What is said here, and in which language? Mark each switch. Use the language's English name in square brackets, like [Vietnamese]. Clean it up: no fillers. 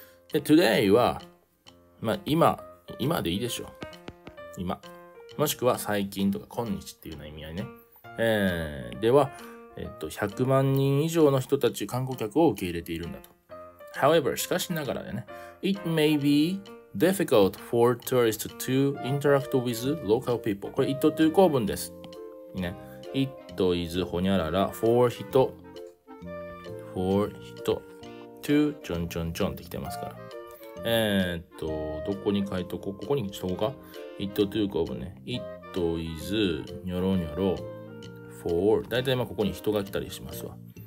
[Japanese] で、today は、まあ今、今でいいでしょう。今。もしくは最近とか今日っていうような意味合いね。では、100万人以上の人たち、観光客を受け入れているんだと。 However, しかしながらでね。 [English] It may be difficult for tourists to interact with local people. [Japanese] これ it という構文です。ね。it is ほにゃらら for 人。 for 人 to ちょんちょんちょんってきてますから、どこに書いとこう、ここにしとこうか。 it to 構文ね。it is にょろにょろ for、 だいたいまあここに人が来たりしますわ。